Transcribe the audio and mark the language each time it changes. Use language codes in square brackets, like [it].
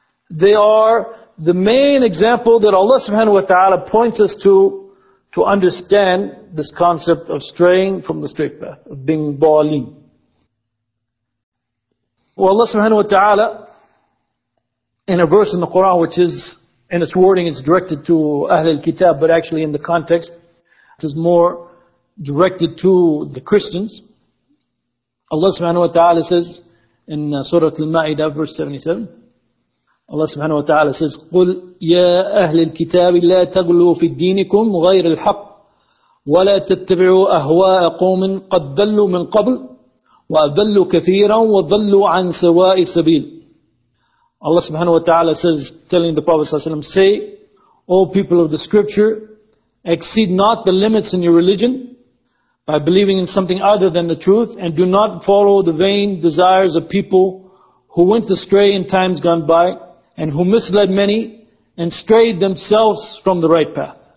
[en] They are the main example that Allah subhanahu wa ta'ala points us to understand this concept of straying from the straight path, of being dalin. Well, Allah subhanahu wa ta'ala, in a verse in the Quran, which is, in its wording, it's directed to Ahl al-Kitab, but actually in the context, it is more directed to the Christians. Allah subhanahu wa ta'ala says, [ar] in Surah Al-Ma'idah, verse 77, Allah subhanahu wa ta'ala says, قُلْ يَا أَهْلِ الْكِتَابِ لَا تَغْلُوا فِي الدِّينِكُمْ غَيْرِ الْحَقِّ وَلَا تَتَّبِعُوا أَهْوَاءَ قَوْمٍ قَدْ ضَلُّوا مِنْ قَبْلُ وَأَضَلُّوا كَثِيرًا وَضَلُّوا عَنْ سَوَاءِ السَّبِيلِ. [en] Allah subhanahu wa ta'ala says, telling the Prophet sallallahu alayhi wa sallam, say, O people of the scripture, exceed not the limits in your religion by believing in something other than the truth, and do not follow the vain desires of people who went astray in times gone by, and who misled many, and strayed themselves from the right path.